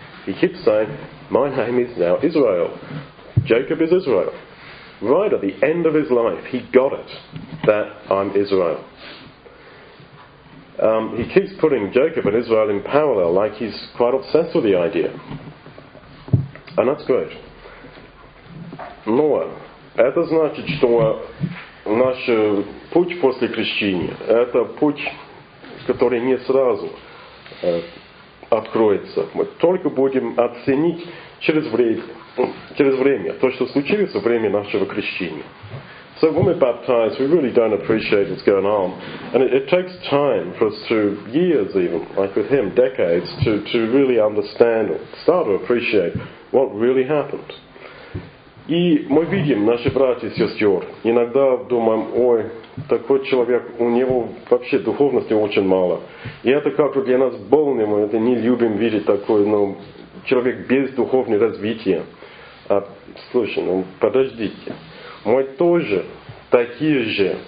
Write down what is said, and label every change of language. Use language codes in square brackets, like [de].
[en] He keeps saying, my name is now Israel. Jacob is Israel. Right at the end of his life, he got it, that I'm Israel. He keeps putting Jacob and Israel in parallel, like he's quite obsessed with the idea. And that's great. [ru] Но это значит, что наш путь после крещения, это путь, который не сразу откроется. Мы только будем оценить через время, то, что случилось во время нашего крещения. [en] So when we're baptized, we really don't appreciate what's going on. And it takes time for us to, years even, like with him, decades, to really understand or start to appreciate what really happened. [ru] И мы видим, наши братья и сестры, иногда думаем, ой, такой человек, у него вообще духовности очень мало. И это как-то для нас больно, мы это не любим видеть такой, но человек без духовного развития. А, слушай, ну подождите. Мы тоже такие же.